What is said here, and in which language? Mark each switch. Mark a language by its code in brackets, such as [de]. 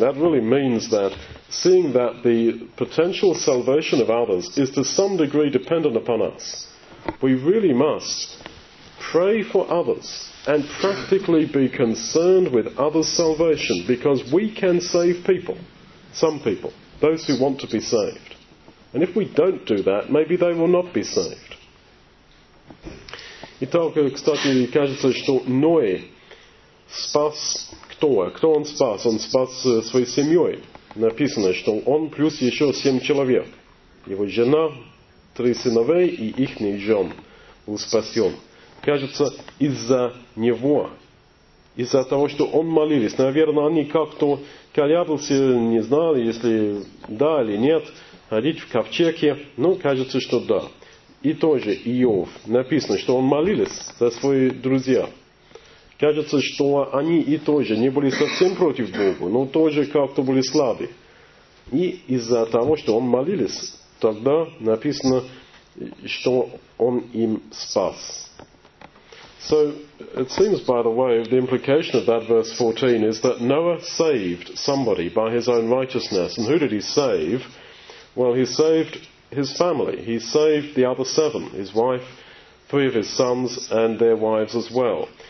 [en] That really means that seeing that the potential salvation of others is to some degree dependent upon us, we really must pray for others and practically be concerned with others' salvation, because we can save people, some people, those who want to be saved. And if we don't do that, maybe they will not be saved. [ru] Итак, кстати, кажется, что Ной спас кто? Кто он спас? Он спас своей семьей. Написано, что он плюс еще семь человек. Его жена, три сыновей и ихний жен был спасен. Кажется, из-за него, из-за того, что он молились. Наверное, они как-то колябался, не знали, если да или нет, ходить в ковчеге. Ну, кажется, что да. И тоже Иов. Написано, что он молились за свои друзья. Кажется, что они и тоже не были совсем против Бога, но тоже как-то были слабы. И из-за того, что он молились, тогда написано, что он им спас. [en] So, it seems, by the way, the implication of that verse 14 is that Noah saved somebody by his own righteousness. And who did he save? Well, he saved his family. He saved the other seven, his wife, three of his sons, and their wives as well.